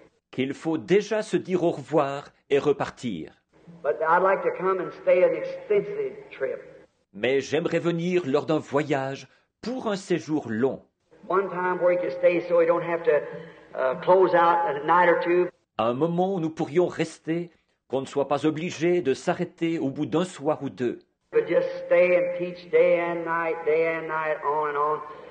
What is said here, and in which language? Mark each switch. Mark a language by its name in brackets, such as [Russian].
[French] Qu'il faut déjà se dire au revoir et repartir. [English] But I'd like to come and stay an extensive trip. [French] Mais j'aimerais venir lors d'un voyage pour un séjour long. [English] One time where you can stay so you don't have to close out a night or two. [French] À un moment où nous pourrions rester, qu'on ne soit pas obligé de s'arrêter au bout d'un soir ou deux. [English] But just stay and teach day and night, on and on.